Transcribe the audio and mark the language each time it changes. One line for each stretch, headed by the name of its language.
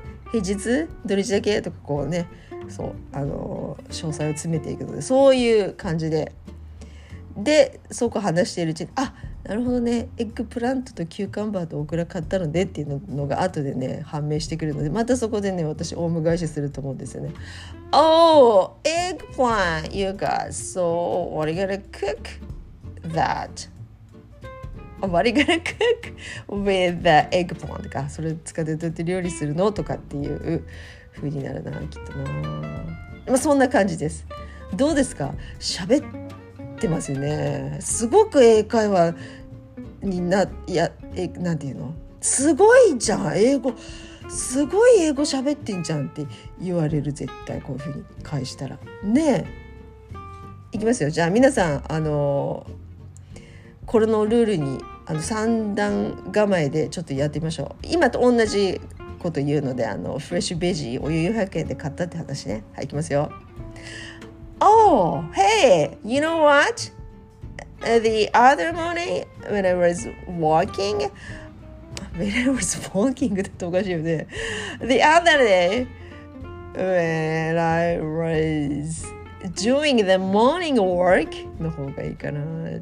Japanese: 平日土日だけとか、こうね、そう、詳細を詰めていくので、そういう感じで、で、そこ話しているうちに、あ、なるほどね、エッグプラントとキューカンバーとオクラ買ったのでっていうのが後でね判明してくるので、またそこでね私オウム返しすると思うんですよね。
English: Oh, eggplant you got, so what are you gonna cook that? What are you gonna cook with the eggplant?
Japanese: かそれ使ってどうやって料理するのとかっていう風になるな、きっとな。まあ、そんな感じです。どうですか、喋ってってますよね。すごく英会話にな、いや、え、なんていうの、すごいじゃん、英語すごい、英語喋ってんじゃんって言われる、絶対こういう風に返したらね。え、いきますよ。じゃあ皆さん、これのルールに三段構えでちょっとやってみましょう。今と同じこと言うので、フレッシュベジーお湯400円で買ったって話ね。はい、いきますよ。
English: Oh, hey, you know what? The other morning when I was walking, that's weird. The other day when I was doing the morning work,
Japanese: の方がいいかな。